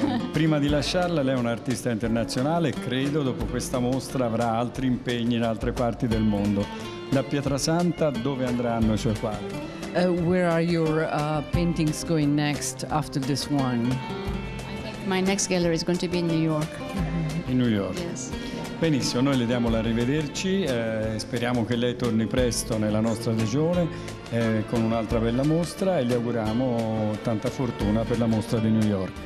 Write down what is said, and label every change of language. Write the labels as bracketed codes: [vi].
[it] Prima di lasciarla, lei è un'artista internazionale, credo dopo questa mostra avrà altri impegni in altre parti del mondo. Da Pietrasanta dove andranno i suoi quadri? [en] Where are your paintings going next after this one? My next gallery is going to be in New York. In New York. Yes. [it] Benissimo, noi le diamo l'arrivederci, speriamo che lei torni presto nella nostra regione con un'altra bella mostra e le auguriamo tanta fortuna per la mostra di New York.